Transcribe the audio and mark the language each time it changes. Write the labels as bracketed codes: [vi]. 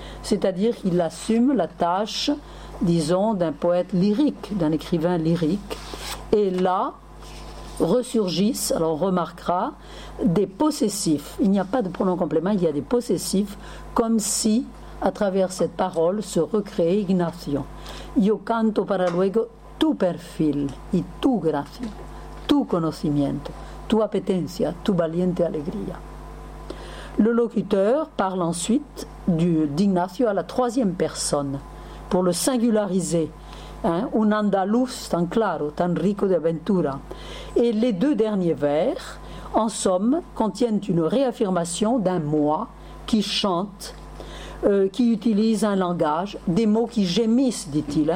[fr] C'est-à-dire qu'il assume la tâche, disons, d'un poète lyrique, d'un écrivain lyrique. Et là, ressurgissent, alors on remarquera, des possessifs. Il n'y a pas de pronom complément, il y a des possessifs, comme si, à travers cette parole, se recréait Ignacio. [es] Io canto para luego tu perfil y tu gracia, tu conocimiento, tu apetencia, tu valiente alegría. [fr] Le locuteur parle ensuite d'Ignacio à la troisième personne, pour le singulariser. Hein, [es] un andaluz tan claro, tan rico de aventura. [fr] Et les deux derniers vers, en somme, contiennent une réaffirmation d'un moi qui chante, qui utilise un langage, des mots qui gémissent, dit-il.